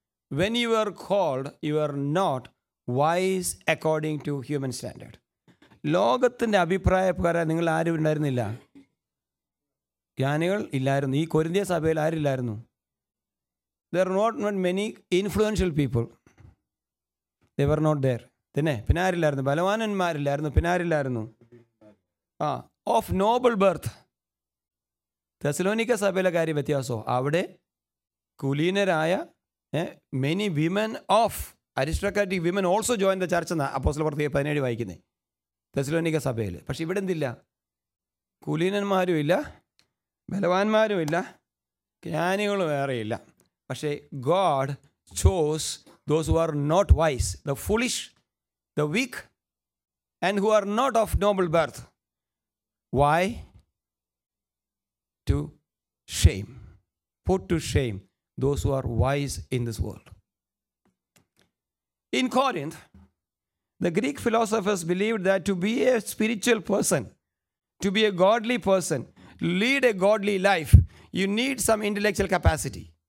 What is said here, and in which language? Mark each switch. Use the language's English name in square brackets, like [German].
[English] When you are called, you are not wise according to human standard. [Malayalam] ലോകത്തിൻ്റെ അഭിപ്രായപ്രകാരം നിങ്ങൾ ആരും ഉണ്ടായിരുന്നില്ല. ജ്ഞാനികൾ ഇല്ലായിരുന്നു ഈ കൊരിന്ത്യ സഭയിൽ. ആരില്ലായിരുന്നു? [English] There are not many influential people. They were not there. [Malayalam] പിന്നെ പിന്നെ ആരില്ലായിരുന്നു? ബലവാനന്മാരില്ലായിരുന്നു. പിന്നെ ആരില്ലായിരുന്നു? [English] Of noble birth. [Malayalam] തെസലോനിക്ക സഭയിലെ കാര്യം വ്യത്യാസമോ? അവിടെ കുലീനരായ [English] many women of aristocratic women also join the church [Malayalam] എന്നാണ് അപ്പോസ്തല പ്രവൃത്തി 17 വായിക്കുന്നത്, തെസലോനിക്ക സഭയിൽ. പക്ഷെ ഇവിടെ എന്തില്ല? കുലീനന്മാരും ഇല്ല, ബലവാന്മാരും ഇല്ല, ജ്ഞാനികളും വേറെ ഇല്ല. [English] പക്ഷേ God chose those who are not wise, the foolish, the weak, and who are not of noble birth. Why? To shame, put to shame those who are wise in this world. In Corinth, the Greek philosophers believed that to be a spiritual person, to be a godly person, lead a godly life, you need some intellectual capacity.